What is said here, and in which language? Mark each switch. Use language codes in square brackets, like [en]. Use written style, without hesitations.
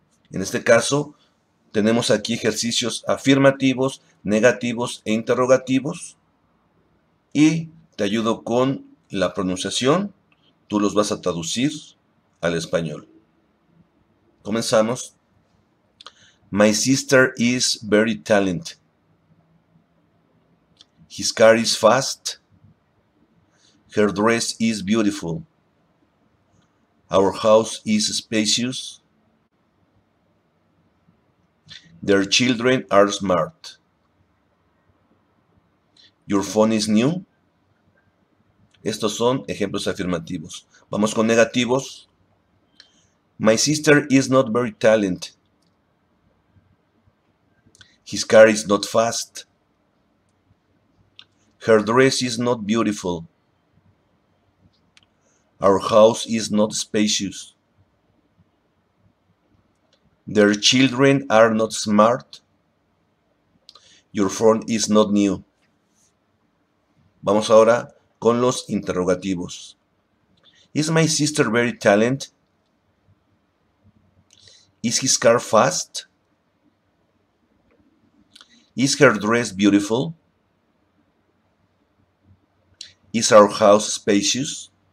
[es] En este caso, tenemos aquí ejercicios afirmativos, negativos e interrogativos. Y te ayudo con la pronunciación. Tú los vas a traducir al español. Comenzamos. [en] My sister is very talented. His car is fast. Her dress is beautiful. Our house is spacious. Their children are smart. Your phone is new. [es] Estos son ejemplos afirmativos. Vamos con negativos. [en] My sister is not very talented. His car is not fast. Her dress is not beautiful. Our house is not spacious. Their children are not smart. Your phone is not new. [es] Vamos ahora con los interrogativos. [en] Is my sister very talented? Is his car fast? Is her dress beautiful? Is our house spacious?